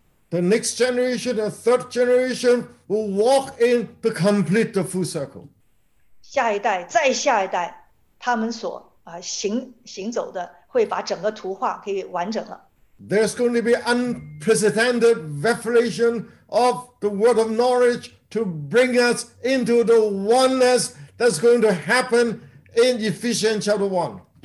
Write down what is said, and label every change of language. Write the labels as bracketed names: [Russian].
[English] The next generation, the third generation, will walk in to complete the full circle. [Chinese] 下一代，再下一代，他们所行走的会把整个图画给完整了。 [English] There's going to be unprecedented revelation of the word of knowledge to bring us into the oneness that's going to happen in Ephesians chapter 1.